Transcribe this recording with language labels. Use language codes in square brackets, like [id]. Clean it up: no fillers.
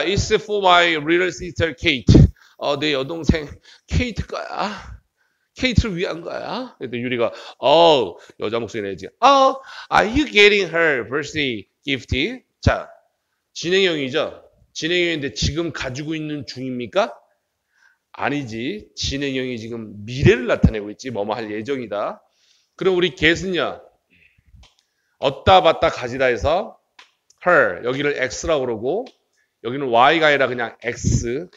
[en] It's for my little sister Kate. [ko] 내 여동생 케이트 거야. 케이트를 위한 거야. 그래서 유리가 여자 목소리 내지. [en] Are you getting her birthday gift? [ko] 자, 진행형이죠. 진행형인데 지금 가지고 있는 중입니까? 아니지. 진행형이 지금 미래를 나타내고 있지. 뭐뭐 할 예정이다. 그럼 우리 get은요, 얻다 받다 가지다 해서 her, 여기를 x라고 그러고 여기는 y가 아니라 그냥 x.